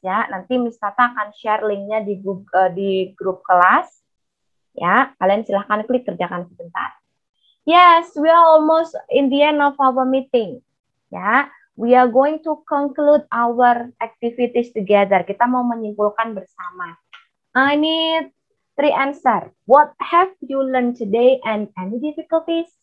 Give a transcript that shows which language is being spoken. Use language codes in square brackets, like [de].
[id] Yeah, nanti Miss Tata akan share linknya di Google, di grup kelas. [en] Yeah, [id] kalian silahkan klik kerjakan sebentar. [en] Yes, we are almost in the end of our meeting. Yeah. we are going to conclude our activities together. [id] Kita mau menyimpulkan bersama. [en] I need three answer. What have you learned today and any difficulties?